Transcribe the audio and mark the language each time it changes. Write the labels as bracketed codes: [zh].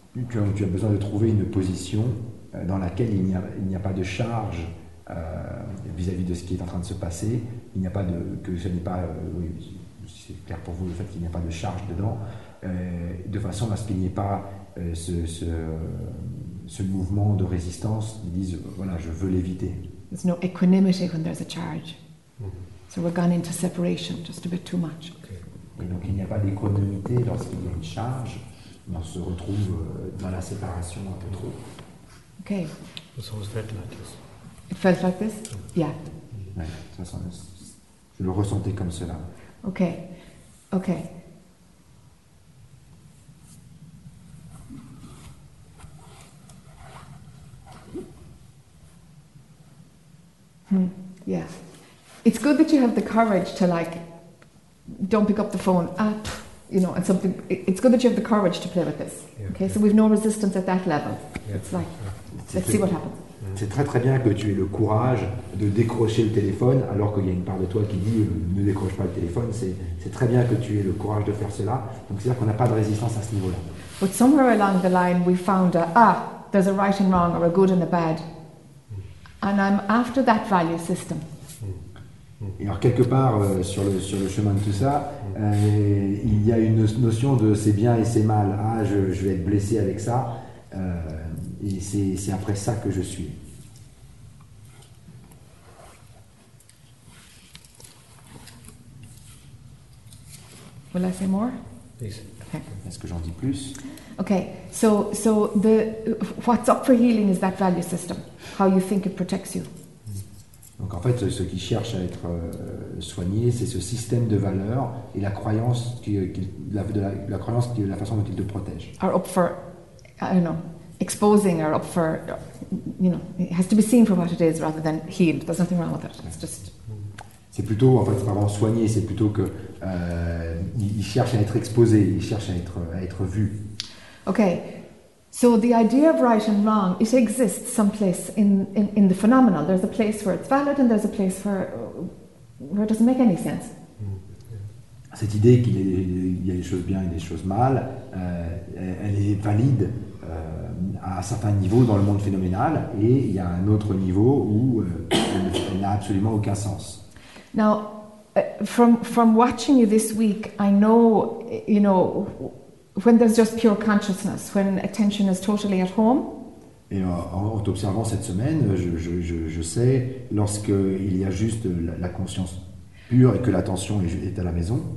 [fr] Tu as besoin de trouver une position dans laquelle il n'y a pas de charge vis-à-vis de ce qui est en train de se passer. Il n'y a pas de. Que ce n'est pas. Oui, c'est clair pour vous le fait qu'il n'y a pas de charge dedans. De façon à ce qu'il n'y ait pas ce mouvement de résistance, ils disent voilà, je veux l'éviter. [en] There's no equanimity when there's a charge. Mm-hmm. So we're gone into separation just a bit too much. Okay. [fr] Et donc il n'y a pas d'équanimité lorsqu'il y a une charge, on se retrouve dans la séparation un peu trop. [en] Okay. So it felt like this. It felt like this? Yeah. [fr] Ouais, ça je le ressentais comme cela. [en] Okay. Okay. Hmm. Yeah, it's good that you have the courage to like, don't pick up the phone. And something. It's good that you have the courage to play with this. Yeah, okay, yeah. So we've no resistance at that level. Yeah, it's like, yeah. Let's see what happens. [fr] C'est très très bien que tu aies le courage de décrocher le téléphone, alors qu'il y a une part de toi qui dit ne décroche pas le téléphone. C'est très bien que tu aies le courage de faire cela. Donc c'est-à-dire qu'on n'a pas de résistance à ce niveau-là. [en] But somewhere along the line, we found there's a right and wrong, or a good and a bad. And I'm after that value system. [fr] Et alors quelque part sur le chemin de tout ça, il y a une notion de c'est bien et c'est mal. Ah, je vais être blessé avec ça. Et c'est après ça que je suis. [en] Will I say more? Please. Okay. [fr] Est-ce que j'en dis plus? [en] Okay, so the what's up for healing is that value system, how you think it protects you. Mm. [fr] Donc en fait, ce qui cherche à être soigné, c'est ce système de valeurs et la croyance, la façon dont il te protège. [en] Are up for, I don't know, exposing, or up for, you know, it has to be seen for what it is rather than healed. There's nothing wrong with that. It's just. [fr] C'est plutôt, en fait, vraiment soigné. C'est plutôt que il cherche à être exposé, il cherche à être vu. [en] Okay. So the idea of right and wrong, it exists someplace in the phenomenal. There's a place where it's valid and there's a place where it doesn't make any sense. [fr] Cette idée qu'il y a des choses bien et des choses mal, elle est valide à un certain niveau dans le monde phénoménal et il y a un autre niveau où elle n'a absolument aucun sens. [en] Now, from watching you this week, I know, you know, when there's just pure consciousness, when attention is totally at home. [fr] Et en t'observant cette semaine, je sais lorsque il y a juste la conscience pure et que l'attention est à la maison.